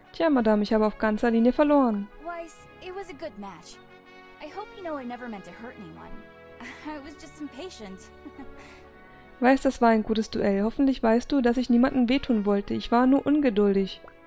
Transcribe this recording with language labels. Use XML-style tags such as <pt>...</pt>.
<de>Tja, Madame, ich habe auf ganzer Linie verloren.</de> <en>Weiss, it was a good match. I hope you know I never meant to hurt anyone. I was just impatient.</en> <de>Weiss, das war ein gutes Duell. Hoffentlich weißt du, dass ich niemanden wehtun wollte. Ich war nur ungeduldig.</de>